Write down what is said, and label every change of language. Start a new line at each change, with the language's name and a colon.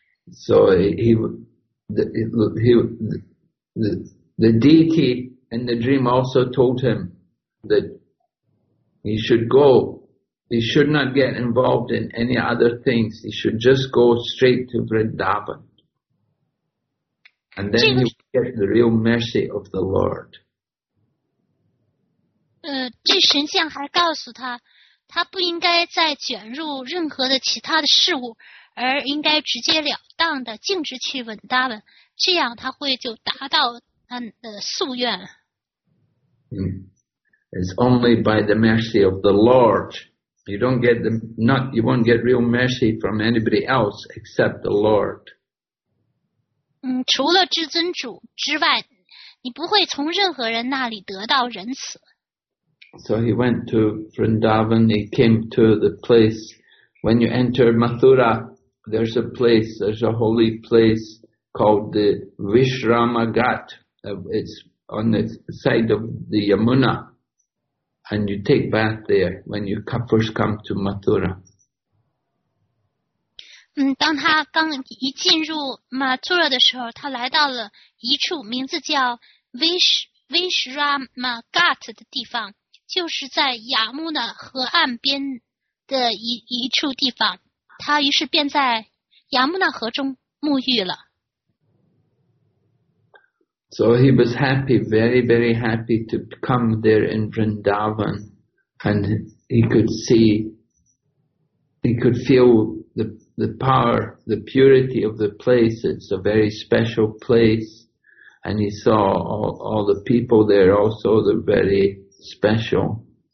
English: So the deity in the dream also told him that he should go. He should not get involved in any other things. He should just go straight to Vrindavan. And then he would get the real mercy of the Lord.
Chinese: 这神像还告诉他，他不应该再卷入任何的其他的事物，而应该直截了当的径直去稳达稳，这样他会就达到他的夙愿。
English: It's only by the mercy of the Lord. You won't get real mercy from anybody else except the Lord.
Chinese: 除了至尊主之外，你不会从任何人那里得到仁慈。
English: So he went to Vrindavan, he came to the place. When you enter Mathura, there's a holy place called the Vishrama Ghat. It's on the side of the Yamuna. And you take bath there when you first come to Mathura.
Chinese: 当他刚一进入 Mathura 的时候，他来到了一处名字叫 Vishrama Ghat 的地方，就是在雅穆纳河岸边的一处地方。他于是便在雅穆纳河中沐浴了。
English: So he was happy, very, very happy to come there in Vrindavan, and he could see, he could feel the power, the purity of the place. It's a very special place. And he saw all the people there also, they're very special.